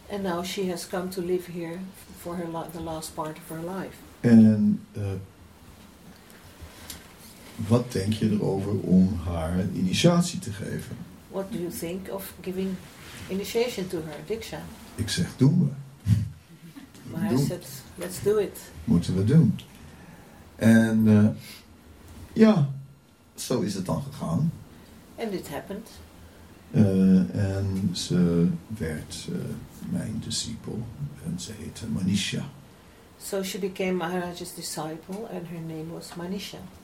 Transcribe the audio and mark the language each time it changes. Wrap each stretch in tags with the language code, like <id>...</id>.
<en>And now she has come to live here for her the last part of her life.</en> <nl>En wat denk je erover om haar een initiatie te geven?</nl> <en>What do you think of giving initiation to her, Diksha?</en> <nl>Ik zeg, doen we. Maar hij zegt,</nl> <en>let's do it.</en> <nl>Moeten we doen. En ja, zo is het dan gegaan.</nl> <en>And it happened.</en> <nl>En ze werd mijn discipel. En ze heette Manisha.</nl> <en>So she became Maharaj's disciple and her name was Manisha.</en>